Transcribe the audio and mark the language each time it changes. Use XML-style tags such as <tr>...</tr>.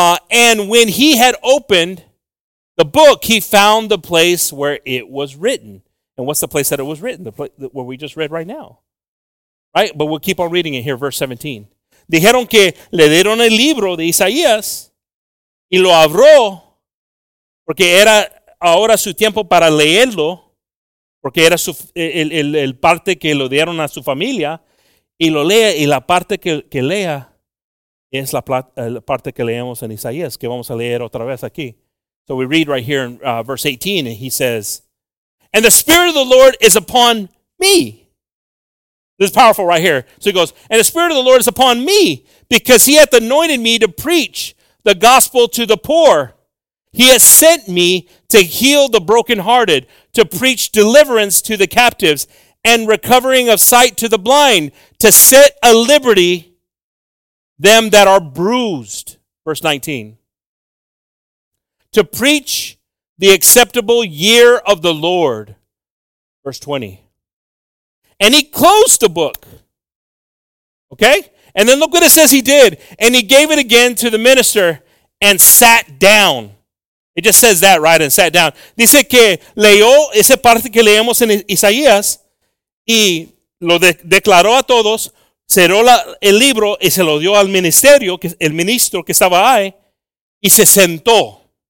<en>And when he had opened the book, he found the place where it was written. And what's the place that it was written? The place where we just read right now. Right, but we'll keep on reading it here, verse 17.</en> <es>Dijeron que le dieron el libro de Isaías y lo abrió porque era ahora su tiempo para leerlo, porque era su el parte que lo dieron a su familia y lo lee, y la parte que lea es la parte que leemos en Isaías, que vamos a leer otra vez aquí.</es> <en>So we read right here in verse 18, and he says, "And the Spirit of the Lord is upon me." This is powerful right here. So he goes, and the Spirit of the Lord is upon me because he hath anointed me to preach the gospel to the poor. He has sent me to heal the brokenhearted, to preach deliverance to the captives and recovering of sight to the blind, to set at liberty them that are bruised. Verse 19. To preach the acceptable year of the Lord. Verse 20. And he closed the book, okay? And then look what it says he did. And he gave it again to the minister and sat down. It just says that, right, and sat down.</en> <es>Dice que leyó esa parte que leemos en Isaías y lo declaró a todos, cerró el libro y se lo dio al ministerio, el ministro que estaba ahí, y se sentó.</es>